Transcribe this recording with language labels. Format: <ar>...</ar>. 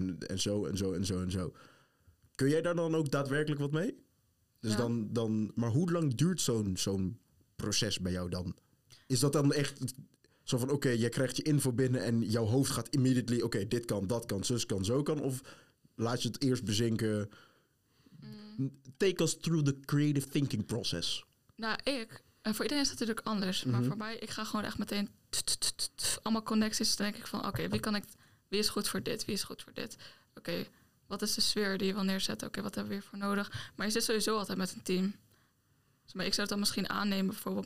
<nl>En zo. Kun jij daar dan ook daadwerkelijk wat mee? Dus ja. dan, maar hoe lang duurt zo'n proces bij jou dan? Is dat dan echt zo van, oké, jij krijgt je info binnen... en jouw hoofd gaat immediately, oké, dit kan, dat kan, zus kan, zo kan? Of laat je het eerst bezinken?</nl> <en>Take us through the creative thinking process.</en> <nl>En voor iedereen is dat natuurlijk anders. Mm-hmm. Maar voor mij, ik ga gewoon echt meteen... allemaal connecties. Dan denk ik van, oké, wie is goed voor dit? Wie is goed voor dit? Oké, wat is de sfeer die je wil neerzetten? Oké, wat hebben we hiervoor nodig? Maar je zit sowieso altijd met een team. Dus, maar ik zou het dan misschien aannemen bijvoorbeeld.</nl>